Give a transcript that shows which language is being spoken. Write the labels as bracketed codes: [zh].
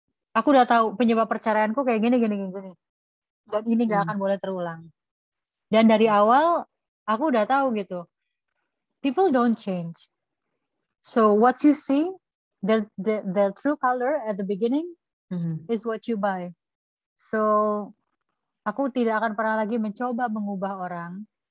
[id] Aku udah tahu penyebab perceraianku kayak gini. Dan ini gak akan boleh terulang. Dan dari awal, aku udah tahu gitu. [en] People don't change. So what you see, the true color at the beginning, is what you buy. [id] So, aku tidak akan pernah lagi mencoba mengubah orang.